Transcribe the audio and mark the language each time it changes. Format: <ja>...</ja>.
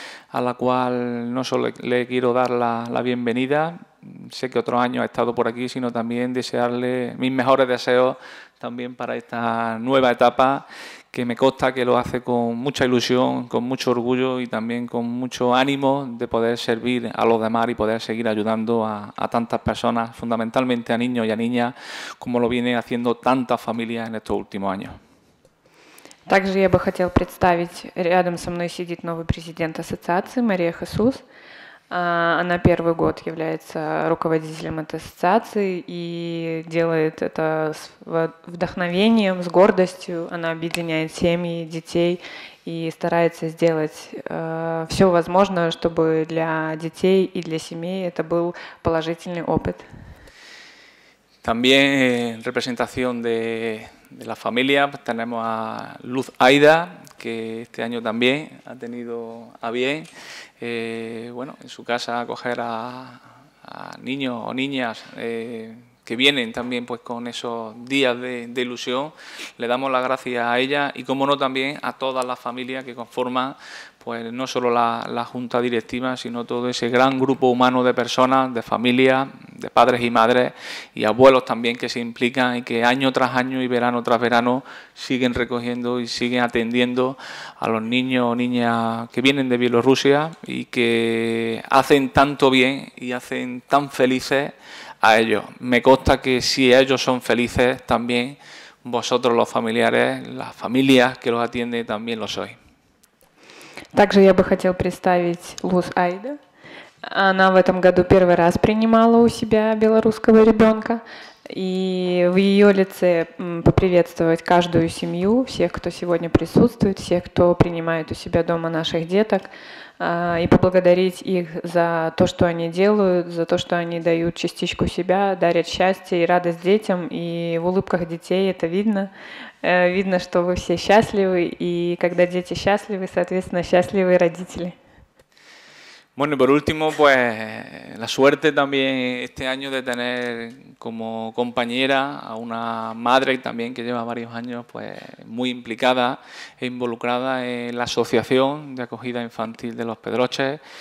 <es>a la cual no solo le quiero dar la bienvenida, sé que otro año ha estado por aquí, sino también desearle mis mejores deseos también para esta nueva etapa, que me consta que lo hace con mucha ilusión, con mucho orgullo y también con mucho ánimo de poder servir a los demás y poder seguir ayudando a tantas personas, fundamentalmente a niños y a niñas, como lo viene haciendo tantas familias en estos últimos años.</es> <ru>Также я бы хотел представить, рядом со мной сидит новый президент ассоциации Мария Хесус. Она первый год является руководителем этой ассоциации и делает это с вдохновением, с гордостью. Она объединяет семьи, детей и старается сделать все возможное, чтобы для детей и для семей это был положительный опыт.</ru> <es>También representación de la familia tenemos a Luz Aida, que este año también ha tenido a bien en su casa acoger a niños o niñas que vienen también pues con esos días de ilusión. Le damos las gracias a ella y, como no, también a todas las familias que conforman pues no solo la junta directiva, sino todo ese gran grupo humano de personas, de familias, de padres y madres y abuelos también, que se implican y que año tras año y verano tras verano siguen recogiendo y siguen atendiendo a los niños o niñas que vienen de Bielorrusia y que hacen tanto bien y hacen tan felices a ellos. Me consta que si ellos son felices, también vosotros los familiares, las familias que los atienden, también lo sois.</es> <ru>Также я бы хотел представить Луз Айда. Она в этом году первый раз принимала у себя белорусского ребенка. И в ее лице поприветствовать каждую семью, всех, кто сегодня присутствует, всех, кто принимает у себя дома наших деток, и поблагодарить их за то, что они делают, за то, что они дают частичку себя, дарят счастье и радость детям. И в улыбках детей это видно. Видно, что вы все счастливы, и когда дети счастливы, соответственно, счастливы родители.</ru> <es>Bueno, y por último, pues la suerte también este año de tener como compañera a una madre también que lleva varios años pues muy implicada e involucrada en la Asociación de Acogida Infantil de Los Pedroches,</es>